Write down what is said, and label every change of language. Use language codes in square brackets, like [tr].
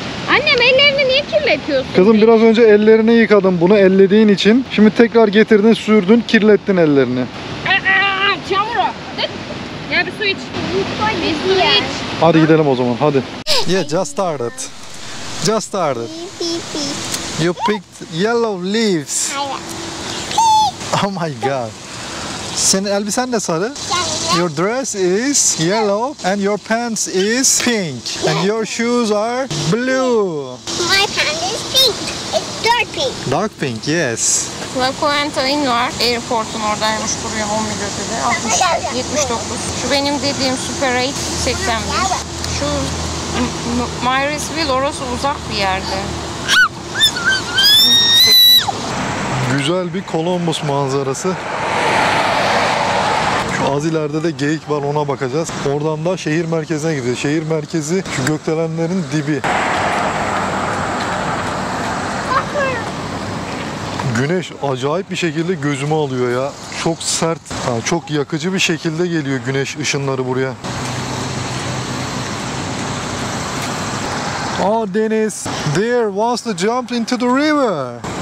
[tr] Annem ellerini niye kirletiyorsun? Kızım biraz önce ellerini yıkadım bunu ellediğin için. Şimdi tekrar getirdin, sürdün, kirlettin ellerini. Çamur o. Ya bir su iç. Bir su iç. Hadi gidelim o zaman, hadi. [en] Yeah, just started. Just started. You picked yellow leaves. Oh my god. [tr] Senin elbisen de sarı. [en] Your dress is yellow and your pants is pink and your shoes are blue. My pants is pink. It's dark pink. Dark pink, yes. [tr] Lokomotivin var. Airport'un oradaymış buraya 10 metrede. 69. Şu benim dediğim Super 8 81. Şu Marysville orası uzak bir yerde. Güzel bir Columbus manzarası. Az ileride de geyik var, ona bakacağız. Oradan da şehir merkezine gideceğiz. Şehir merkezi şu gökdelenlerin dibi. Güneş acayip bir şekilde gözümü alıyor ya. Çok sert, çok yakıcı bir şekilde geliyor güneş ışınları buraya. Aa deniz. [en] There once the jumped into the river.